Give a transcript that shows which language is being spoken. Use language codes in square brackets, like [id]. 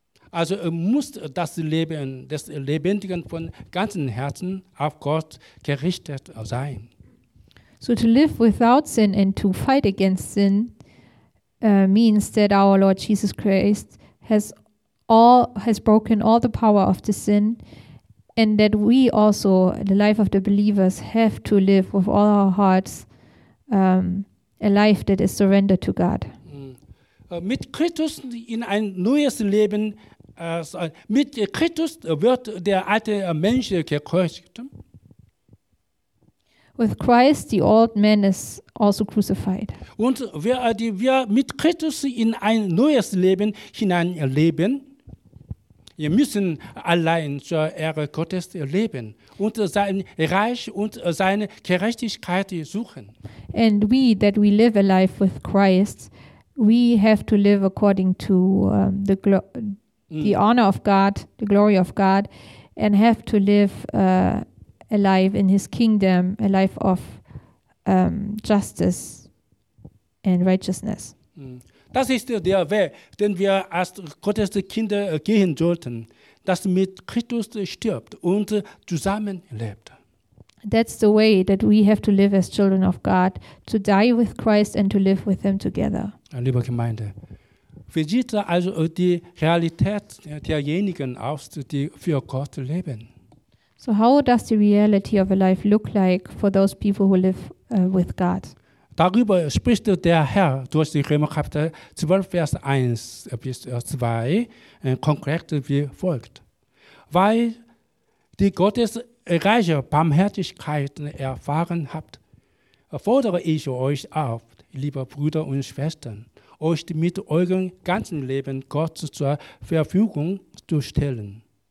[de] Also muss das Leben des Lebendigen von ganzem Herzen auf Gott gerichtet sein. [en] So to live without sin and to fight against sin means that our Lord Jesus Christ has broken all the power of the sin. And that we also, the life of the believers, have to live with all our hearts a life that is surrendered to God. [de] Mit Christus in ein neues Leben, mit Christus wird der alte Mensch gekreuzigt. [en] With Christ, the old man is also crucified. [de] Und wir mit Christus in ein neues Leben hineinleben, wir müssen allein zur Ehre Gottes leben und sein Reich und seine Gerechtigkeit suchen. [en] And we, that we live a life with Christ, we have to live according to the honor of God, the glory of God, and have to live a life in his kingdom, a life of justice and righteousness. [de] Das ist der Weg, den wir als Gottes Kinder gehen sollten, dass mit Christus stirbt und zusammenlebt. [en] That's the way that we have to live as children of God, to die with Christ and to live with him together. [de] Liebe Gemeinde, wie sieht also die Realität derjenigen aus, die für Gott leben? [en] So how does the reality of a life look like for those people who live with God? [de] Darüber spricht der Herr durch die Römer Kapitel 12, Vers 1 bis 2, konkret wie folgt. Weil die Gottesreiche Barmherzigkeit erfahren habt, fordere ich euch auf, liebe Brüder und Schwestern, euch mit eurem ganzen Leben Gott zur Verfügung zu stellen.